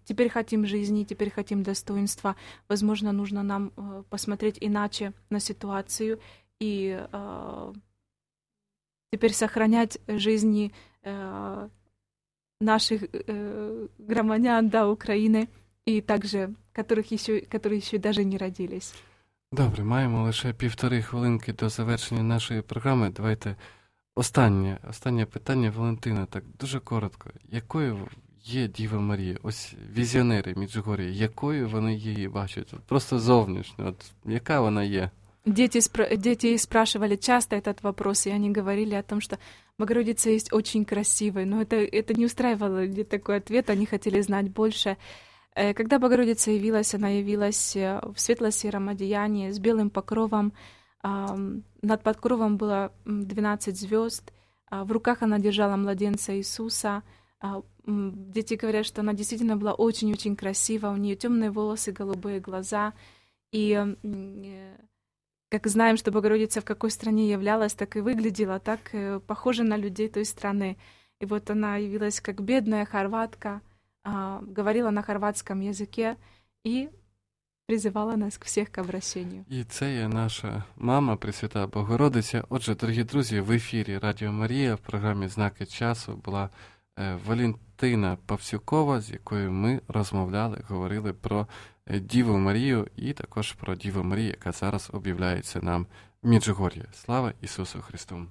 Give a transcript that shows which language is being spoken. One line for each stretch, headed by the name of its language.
Russian: Теперь хотим жизни, теперь хотим достоинства. Возможно, нужно нам посмотреть иначе на ситуацию и теперь сохранять жизни наших громадян, да,
Ukrainian: України, і також, які ще
Russian: даже не родились.
Ukrainian: Добре, маємо лише півтори хвилинки до завершення нашої програми. Давайте останнє питання, Валентина, так дуже коротко. Якою є Діва Марія? Ось візіонери Міджугор'я, якою вони її бачать? Просто зовнішньо, от яка вона є?
Russian: Дети спрашивали часто этот вопрос, и они говорили о том, что Богородица есть очень красивой. Но это не устраивало ли такой ответ, они хотели знать больше. Когда Богородица явилась, она явилась в светло-сером одеянии, с белым покровом. Над покровом было 12 звезд. В руках она держала младенца Иисуса. Дети говорят, что она действительно была очень-очень красива. У нее темные волосы, голубые глаза. И как знаем, что Богородица в какой стране являлась, так и выглядела, так похожа на людей той страны. И вот она явилась как бедная хорватка, говорила на хорватском языке и призывала нас всех к обращению.
Ukrainian: И це є наша мама, Пресвятая Богородиця. Отже, дорогі друзі, в ефірі Радіо Марія в програмі «Знаки часу» була Валентина Павсюкова, з якою ми розмовляли, говорили про Діву Марію і також про Діву Марію, яка зараз об'являється нам в Міджугор'ї. Слава Ісусу Христу!